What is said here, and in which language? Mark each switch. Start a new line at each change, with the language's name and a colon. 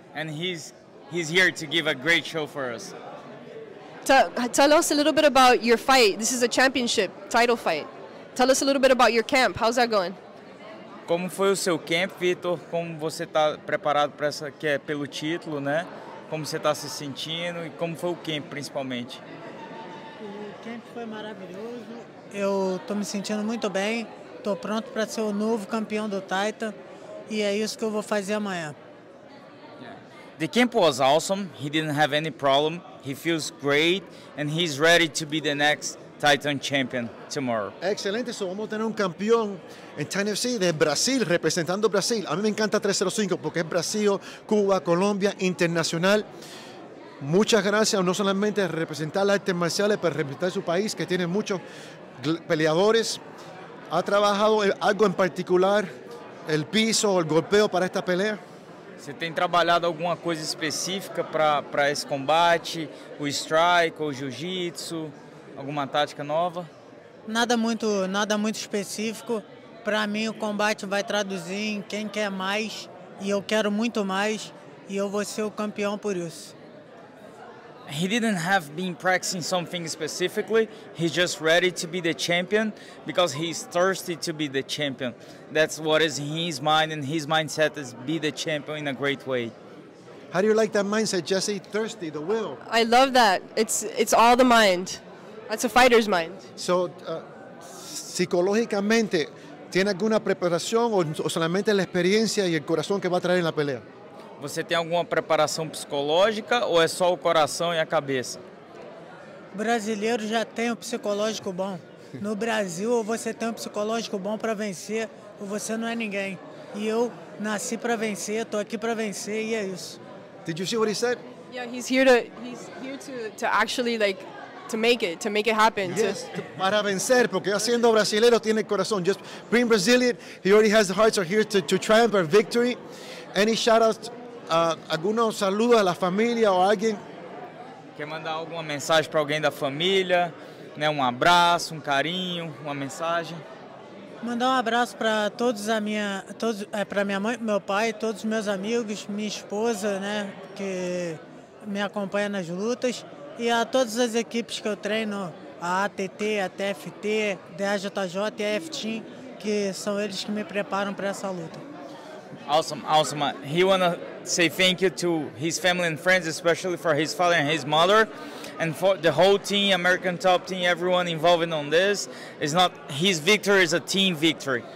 English: And he's here to give a great show for us. Tell us a little bit about your fight. This is a championship title fight. Tell us a little bit about your camp. How's that going?
Portuguese: Como foi o seu camp, Victor? Como você está preparado para essa que é pelo título, né? Como você está se sentindo e como foi o camp, principalmente? O camp foi maravilhoso. Eu estou me sentindo muito bem. Estou pronto para ser o novo campeão do Titan. E é isso que eu vou fazer amanhã.
English: The camp was awesome. He didn't have any problem. He feels great, and he's ready to be the next Titan champion tomorrow.
Spanish: Excelente. So vamos a tener un campeón en Titan FC de Brasil, representando Brasil. A mí me encanta 305 porque es Brasil, Cuba, Colombia, internacional. Muchas gracias, no solamente representar las artes marciales, pero representar su país, que tiene muchos peleadores. ¿Ha trabajado algo en particular, el piso o el golpeo para esta pelea?
Portuguese: Você tem trabalhado alguma coisa específica para esse combate, o strike, o jiu-jitsu, alguma tática nova? Nada muito específico. Para mim, o combate vai traduzir em quem quer mais, e eu quero muito mais, e eu vou ser o campeão por isso.
English: He didn't have been practicing something specifically. He's just ready to be the champion because he's thirsty to be the champion. That's what is in his mind, and his mindset is be the champion in a great way. How do you like that mindset, Jesse? Thirsty, the will. I love that. It's all the mind. That's a fighter's mind.
Spanish: So, psicológicamente, ¿tiene alguna preparación o solamente la experiencia y el corazón que va a traer en la pelea?
Portuguese: Você tem alguma preparação psicológica ou é só o coração e a cabeça? Brasileiro já tem um psicológico bom. No Brasil, ou você tem um psicológico bom para vencer, ou você não é ninguém. E eu nasci para vencer, tô aqui para vencer e é isso.
English: Did you see what he said? Yeah, he's here to actually like to make it happen.
Spanish: Yes, para vencer, porque siendo brasileiro tiene corazón.
English: Just being Brazilian, he already has the hearts are here to triumph our victory. Any shout outs?
Spanish: Algunos saludos a la familia o alguien.
Portuguese: Quer mandar alguma mensagem para alguém da família, né? Um abraço, um carinho, uma mensagem. Mandar um abraço para todos para minha mãe, meu pai, todos os meus amigos, minha esposa, né, que me acompanha nas lutas, e a todas as equipes que eu treino, a ATT, a TFT, DAJJ e a F-Team, que são eles que me preparam para essa luta.
English: Awesome, awesome. He wanna say thank you to his family and friends, especially for his father and his mother, and for the whole team, American Top Team, everyone involved on this. It's not his victory; it's a team victory.